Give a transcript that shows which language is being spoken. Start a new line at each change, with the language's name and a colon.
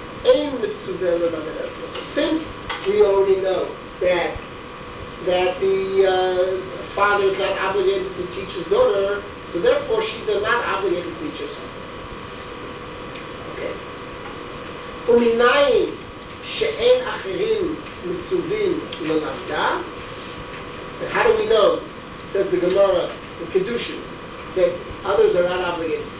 English: So since we already know that the father is not obligated to teach his daughter, so therefore she's not obligated to teach herself. Okay. Uminayin,
Hebrew: שאין אחרים מצווים ללמדה.
English: And how do we know, says the Gemara, the Kedushin, that others are not obligated?